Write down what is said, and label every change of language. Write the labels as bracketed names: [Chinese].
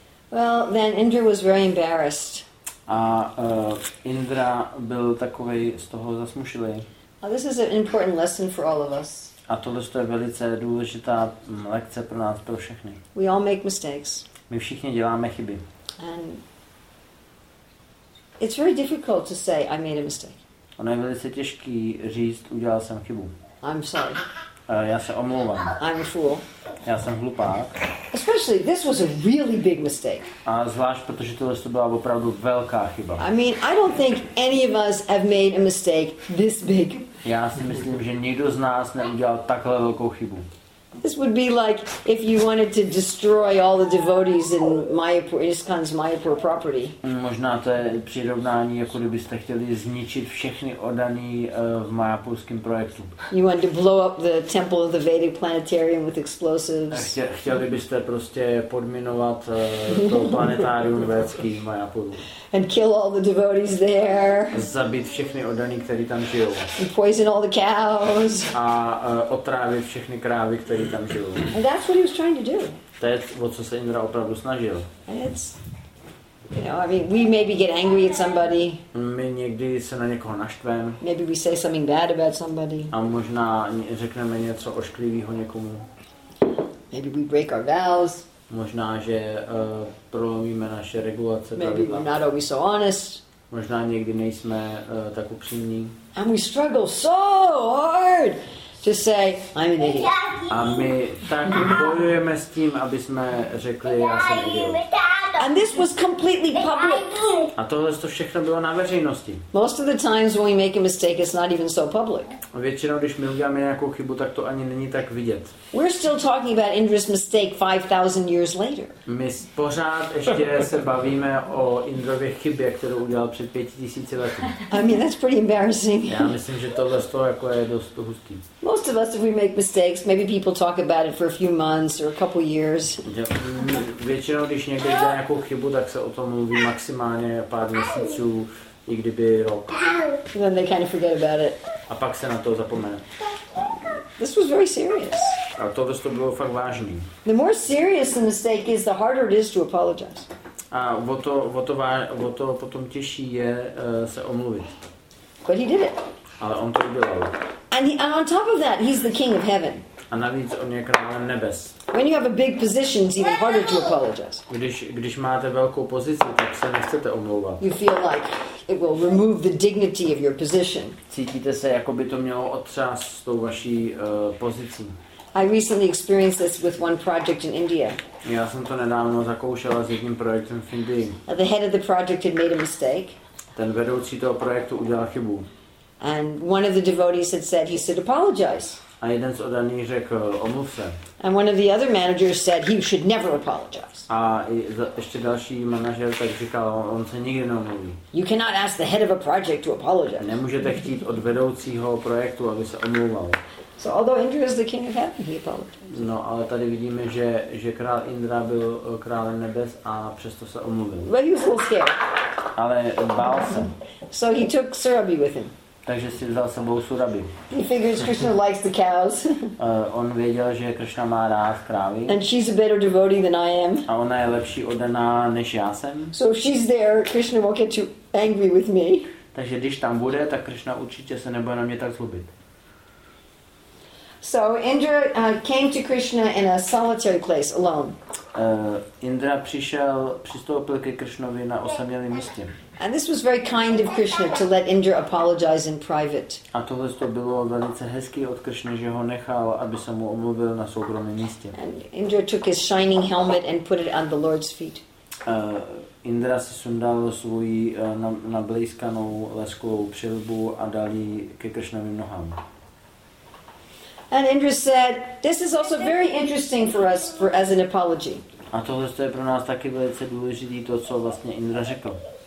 [English] Well, then Indra was very embarrassed. [Czech] A Indra byl takovej z toho zasmušilý. [English] Now, this is an important lesson for all of us. [Czech] A tohle je velice důležitá lekce pro nás, pro všechny. [English] We all make mistakes. [Czech] My všichni děláme chyby. [English] And it's very difficult to say I made a mistake. [Czech] Ono je velice těžký říct, udělal jsem chybu. [English] I'm sorry. [Czech] Já se omlouvám. [English] I'm a fool. [Czech] Já jsem hlupák. [English] Especially this was a really big mistake. [Czech] A zvlášť, protože tohle to byla opravdu velká chyba. [English] I mean, I don't think any of us have made a mistake this big. [Czech] Já si myslím, že nikdo z nás neudělal takhle velkou chybu. [English] This would be like if you wanted to destroy all the devotees in Mayapur, ISKCON's Mayapur property. [Czech] Možná to je přirovnání, jako kdybyste chtěli zničit všechny oddaní v Mayapurském projektu. [English] You want to blow up the temple of the Vedic planetarium with explosives. [Czech] Chtěli byste prostě podminovat to planetárium vědecký v Mayapuru. [English] And kill all the devotees there. [Czech] Zabít všechny oddaní, kteří tam žijou. [English] And poison all the cows. [Czech] A otrávit všechny krávy, který tam žijou. [English] And that's what he was trying to do. [Czech] To je, o co se Indra opravdu snažil. [English] It's, you know, I mean, we maybe get angry at somebody. [Czech] My někdy se na někoho naštveme. [English] Maybe we say something bad about somebody. [Czech] A možná řekneme něco ošklivého někomu. [English] Maybe we break our vows. [Czech] Možná, že prolomíme naše regulace. [English] Maybe we're not always so honest. [Czech] Možná někdy nejsme tak upřímní. [English] And we struggle so hard to say I'm an idiot. [Czech] A my tak bojujeme s tím, aby jsme řekli já jsem idiot. [English] And this was completely public. [Czech] A tohle to všechno bylo na veřejnosti. [English] Most of the times when we make a mistake, it's not even so public. [Czech] Většinou, když my uděláme nějakou chybu, tak to ani není tak vidět. [English] We're still talking about Indra's mistake 5,000 years later. [Czech] My pořád ještě se bavíme o Indrově chybě, kterou udělal před 5,000 lety. [English] I mean, that's pretty embarrassing. [Czech] Já myslím, že tohle to jako je dost hustý. [English] Most of us, if we make mistakes, maybe people talk about it for a few months or a couple years. [Czech] Většinou, když někdo dělá nějakou chybu, tak se o tom mluví maximálně pár měsíců, i kdyby rok. [English] And then they kind of forget about it. [Czech] A pak se na to zapomene. [English] This was very serious. [Czech] A tohle to bylo fakt vážný. [English] The more serious the mistake is, the harder it is to apologize. [Czech] A o to potom těžší je se omluvit. [English] But he did it. [Czech] Ale on to udělal. [English] And on top of that, he's the king of heaven. [Czech] A navíc on je králem nebes. [English] When you have a big position, it's even harder to apologize. [Czech] Když máte velkou pozici, tak se nechcete omlouvat. [English] You feel like it will remove the dignity of your position. [Czech] Cítíte se, jako by to mělo otřást s tou vaší pozicí. [English] I recently experienced this with one project in India. [Czech] Já jsem to nedávno zakoušela s jedním projektem v Indii. [English] The head of the project had made a mistake. [Czech] Ten vedoucí toho projektu udělal chybu. [English] And one of the devotees had said, he said, apologize. [Czech] A jeden z oddaných řekl, omluv se. [English] And one of the other managers said, he should never apologize. [Czech] A ještě další manažer tak říkal, on se nikdy neomluví. [English] You cannot ask the head of a project to apologize. [Czech] Nemůžete chtít od vedoucího projektu, aby se omlouval. [English] So although Indra is the king of heaven, he apologized. [Czech] No, ale tady vidíme, že král Indra byl králem nebes a přesto se omluvil. [English] But he was a little scared. [Czech] Ale bál se. [English] So he took Surabhi with him. [Czech] Takže si vzal sebou Surabhi. [English] He figures Krishna likes the cows. [Czech] On věděl, že Krishna má rád krávy. [English] And she's a better devotee than I am. [Czech] A ona je lepší oddaná než já jsem. [English] So if she's there, Krishna won't get too angry with me. [Czech] Takže když tam bude, tak Krishna určitě se nebude na mě tak zlobit. [English] So Indra came to Krishna in a solitary place alone. [Czech] Indra přistoupil ke Krishnovi na osamělém místě. [English] And this was very kind of Krishna to let Indra apologize in private. [Czech] A tohle to bylo velice hezký od Krishny, že ho nechal, aby se mu omluvil na soukromém místě. [English] And Indra took his shining helmet and put it on the Lord's feet. [Czech] Indra si sundal svůj nablejskanou leskovou přilbu a dal ji ke Krishnovým nohám. [English] And Indra said, "This is also very interesting for us for as an apology." [Czech] A tohle to je pro nás taky velice důležitý to, co vlastně Indra řekl.